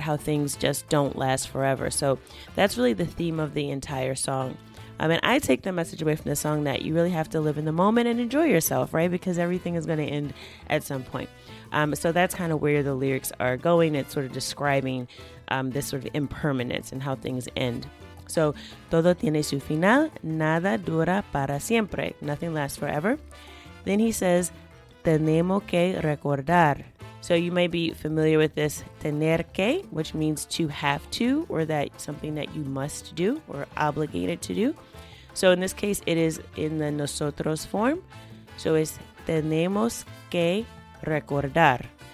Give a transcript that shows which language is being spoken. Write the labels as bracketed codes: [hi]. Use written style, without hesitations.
[en] How things just don't last forever. So, that's really the theme of the entire song. I mean, I take the message away from the song that you really have to live in the moment and enjoy yourself, right? Because everything is going to end at some point. So that's kind of where the lyrics are going. It's sort of describing this sort of impermanence and how things end. [es] So, todo tiene su final, nada dura para siempre. [en] Nothing lasts forever. Then he says, [es] tenemos que recordar. [en] So you may be familiar with this, tener que, which means to have to, or that something that you must do or obligated to do. So in this case, it is in the nosotros form. So it's [es] tenemos que recordar.